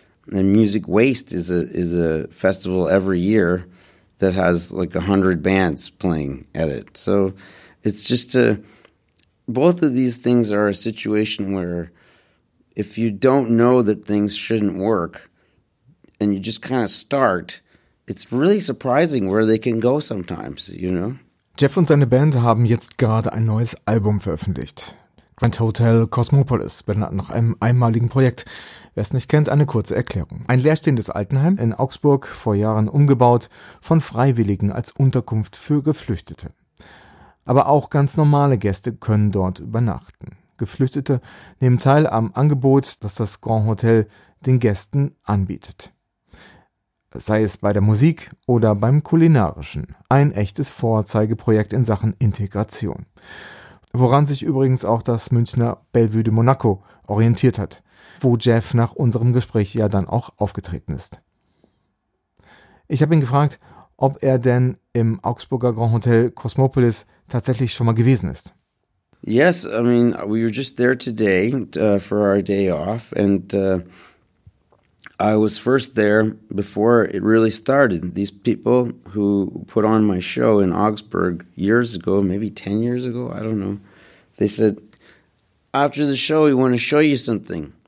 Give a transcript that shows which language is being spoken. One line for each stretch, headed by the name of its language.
English: And Music Waste is a festival every year that has like 100 bands playing at it. So it's just a, both of these things are a situation where if you don't know that things shouldn't work and you just kind of start, it's really surprising where they can go sometimes, you know?
German: Jeff und seine Band haben jetzt gerade ein neues Album veröffentlicht. Grand Hotel Cosmopolis benannt nach einem einmaligen Projekt. Wer es nicht kennt, eine kurze Erklärung. Ein leerstehendes Altenheim in Augsburg, vor Jahren umgebaut, von Freiwilligen als Unterkunft für Geflüchtete. Aber auch ganz normale Gäste können dort übernachten. Geflüchtete nehmen teil am Angebot, das das Grand Hotel den Gästen anbietet. Sei es bei der Musik oder beim Kulinarischen. Ein echtes Vorzeigeprojekt in Sachen Integration. Woran sich übrigens auch das Münchner Bellevue de Monaco orientiert hat, wo Jeff nach unserem Gespräch ja dann auch aufgetreten ist. Ich habe ihn gefragt, ob er denn im Augsburger Grand Hotel Cosmopolis tatsächlich schon mal gewesen ist.
English: Yes, I mean, we were just there today for our day off, and I was first there before it really started. These people who put on my show in Augsburg years ago, maybe 10 years ago, I don't know, they said, after the show, we want to show you something.